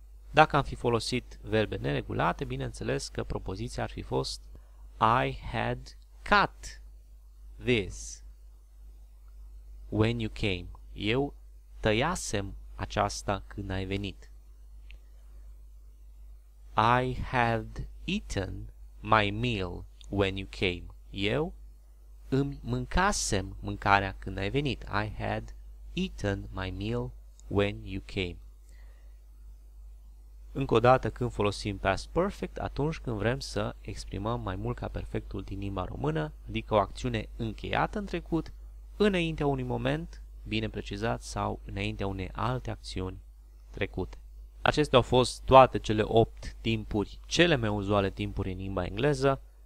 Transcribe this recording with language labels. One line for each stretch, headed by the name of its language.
Romanian: Dacă am fi folosit verbe neregulate, bineînțeles că propoziția ar fi fost
English: I had cut this when you came.
Romanian: Eu tăiasem aceasta când ai venit.
English: I had eaten my meal when you came.
Romanian: Eu îmi mâncasem mâncarea când ai venit.
English: I had eaten my meal when you came.
Romanian: Încă o dată, când folosim past perfect, atunci când vrem să exprimăm mai mult ca perfectul din limba română, adică o acțiune încheiată în trecut, înaintea unui moment, bine precizat, sau înaintea unei alte acțiuni trecute. Acestea au fost toate cele 8 timpuri, cele mai uzuale timpuri în limba engleză.